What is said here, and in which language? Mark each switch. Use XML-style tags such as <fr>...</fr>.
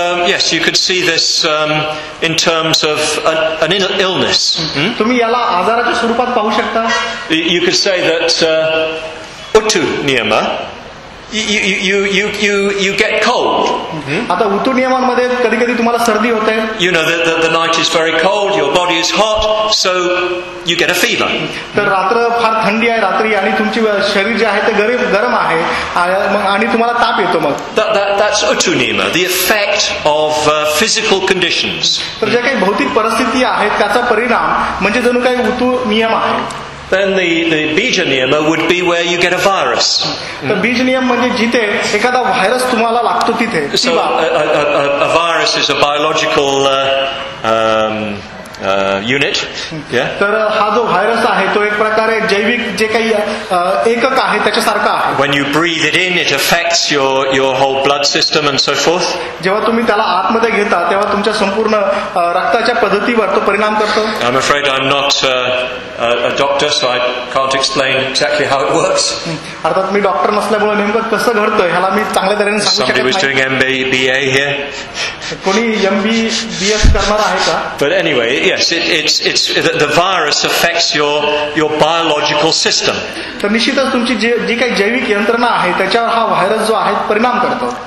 <en>Yes, you could see this in terms of an illness.</en> <mr>तुम्ही याला आजाराच्या स्वरूपात पाहू शकता.</mr> <en>You could say that utu niyama You get cold.</en> <mr>आता ऋतू नियमांमध्ये कधीकधी तुम्हाला सर्दी होते.</mr> <en>You know that the night is very cold, your body is hot, so you get a fever.</en> <mr>तर रात्र फार थंडी आहे रात्री आणि तुमचे शरीर जे आहे ते गरम आहे आणि तुम्हाला ताप येतो मग.</mr> <en>That's utunima, the effect of physical conditions.</en> <mr>तर ज्या काही भौतिक परिस्थिती आहेत त्याचा परिणाम म्हणजे जणू काही ऋतू नियम आहे.</mr> <en>Then the bija niyama would be where you get a virus.</en> <mr>The bija niyam manje jite ekada virus tumhala lagto tithe.</mr> <en>So a virus is a biological unit. Yeah.</en> <mr>तर हा जो व्हायरस आहे तो एक प्रकारे जैविक जे काही एकक आहे त्याच्यासारखं आहे.</mr> <en>When you breathe it in, it affects your whole blood system and so forth.</en> <mr>जेव्हा तुम्ही त्याला आतमध्ये घेता तेव्हा तुमच्या संपूर्ण रक्ताच्या पद्धतीवर तो परिणाम करतो.</mr> <en>I'm afraid I'm not a doctor, so I can't explain exactly how it works.</en> <mr>अर्थात मी डॉक्टर नसल्यामुळे नेमकं कसं घडतं ह्याला मी चांगल्या तऱ्हेने सांगू शकत नाही.</mr> <en>Somebody was doing MBA here.</en> <mr>कोणी MBBS करणार आहे का?</mr> <en>But anyway, yes, it's the virus affects your biological system.</en> <mr>तर निश्चितच तुमची जी काही जैविक यंत्रणा आहे त्याच्यावर हा व्हायरस जो आहे परिणाम करतो.</mr>